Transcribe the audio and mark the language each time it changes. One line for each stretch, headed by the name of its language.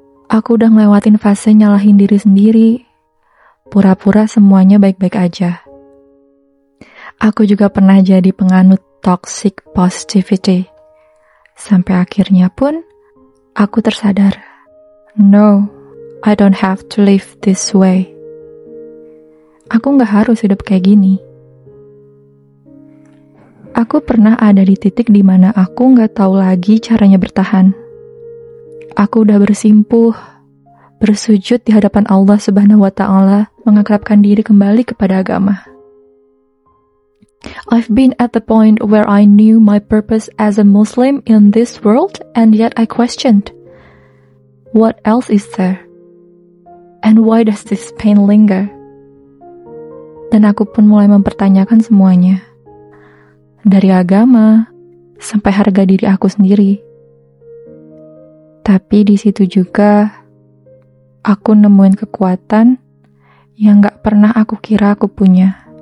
Indonesian: Aku udah ngelewatin fase nyalahin diri sendiri, pura-pura semuanya baik-baik aja. Aku juga pernah jadi penganut toxic positivity. Sampai akhirnya pun, aku tersadar.
English: No, I don't have to live this way.
Indonesian: Aku gak harus hidup kayak gini. Aku pernah ada di titik di mana aku gak tahu lagi caranya bertahan. Aku udah bersimpuh, bersujud di hadapan Allah Subhanahu wa Ta'ala, mengakrabkan diri kembali kepada agama.
English: I've been at the point where I knew my purpose as a Muslim in this world, and yet I questioned, what else is there? And why does this pain linger?
Indonesian: Dan aku pun mulai mempertanyakan semuanya. Dari agama, sampai harga diri aku sendiri. Tapi di situ juga, aku nemuin kekuatan yang gak pernah aku kira aku punya.